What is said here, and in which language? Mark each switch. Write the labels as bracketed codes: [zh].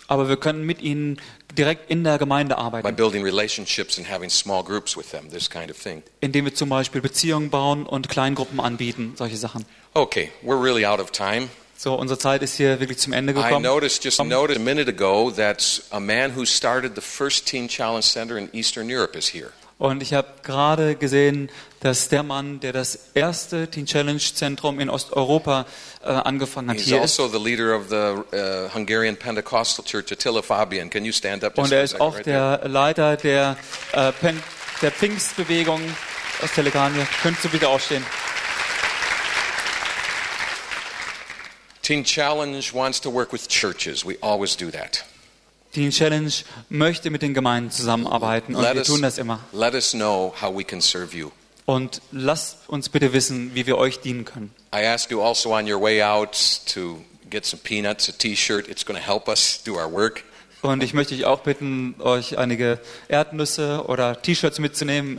[de] Aber wir können mit ihnen direkt in der Gemeinde arbeiten. [en] By building relationships and having small groups with them, this kind of thing. [de] Indem wir zum Beispiel Beziehungen bauen und Kleingruppen anbieten, solche Sachen. [en] Okay, we're really out of time. [de] So, unsere Zeit ist hier wirklich zum Ende gekommen. [en] I noticed a minute ago that a man who started the first teen challenge center in Eastern Europe is here. [de] Und ich habe gerade gesehen, dass der Mann, der das erste Teen Challenge Zentrum in Osteuropa angefangen hat, hier ist. [en] He's also the leader of the Hungarian Pentecostal Church, Attila Fabian. Can you stand up? [de] Und er ist auch der Leiter der der Pfingstbewegung aus Telegania. Könntest du bitte aufstehen? [en] Teen Challenge wants to work with churches. We always do that. [de] Teen Challenge möchte mit den Gemeinden zusammenarbeiten und wir tun das immer. [en] Let us know how we can serve you. [de] Und lasst uns bitte wissen, wie wir euch dienen können. [en] I ask you also on your way out to get some peanuts, a t-shirt. It's going to help us do our work. [de] Und ich möchte euch auch bitten, euch einige Erdnüsse oder T-Shirts mitzunehmen.